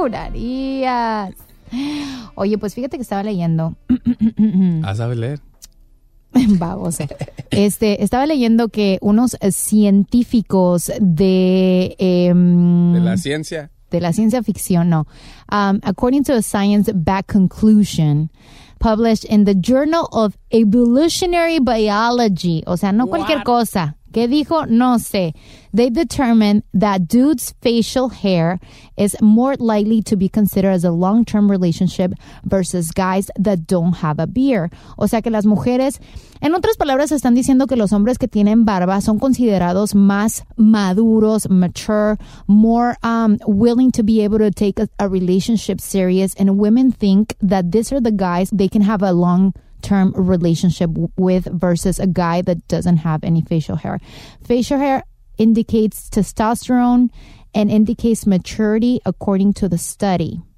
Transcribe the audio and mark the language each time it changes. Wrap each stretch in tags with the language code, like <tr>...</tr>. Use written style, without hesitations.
<es>Jurarías. Oye, pues fíjate que estaba leyendo. ¿Ah, sabes leer? Vamos. Estaba leyendo que unos científicos de... de la ciencia. De la ciencia ficción, no.</es> <en>According to a science-backed conclusion published in the Journal of Evolutionary Biology.</en> <es>O sea, no cualquier cosa. ¿Qué dijo? No sé.</es> <en>They determined that dude's facial hair is more likely to be considered as a long-term relationship versus guys that don't have a beard.</en> <es>O sea que las mujeres, en otras palabras, están diciendo que los hombres que tienen barba son considerados más maduros, mature,</es> <en>more willing to be able to take a relationship serious. And women think that these are the guys they can have a long-term relationship with versus a guy that doesn't have any facial hair. Facial hair indicates testosterone and indicates maturity according to the study.</en>